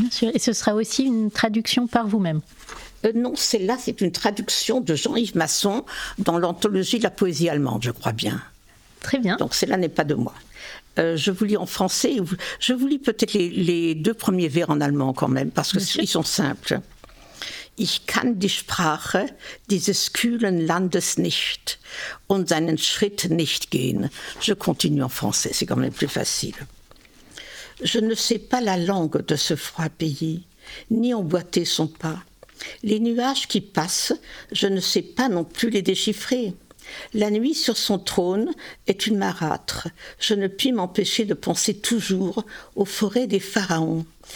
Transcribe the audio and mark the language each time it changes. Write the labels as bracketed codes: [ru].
[fr] Bien sûr, et ce sera aussi une traduction par vous-même. Non, celle-là, c'est une traduction de Jean-Yves Masson dans l'anthologie de la poésie allemande, je crois bien. Très bien. Donc celle-là n'est pas de moi. Je vous lis en français, je vous lis peut-être les deux premiers vers en allemand quand même, parce que ils sont simples. [de] « Ich kann die Sprache dieses kühlen Landes nicht und seinen Schritt nicht gehen. » [fr] Je continue en français, c'est quand même plus facile. « Je ne sais pas la langue de ce froid pays, ni emboîter son pas. » Les nuages qui passent, je ne sais pas non plus les déchiffrer. La nuit sur son trône est une marâtre. Je ne puis m'empêcher de penser toujours aux forêts des pharaons.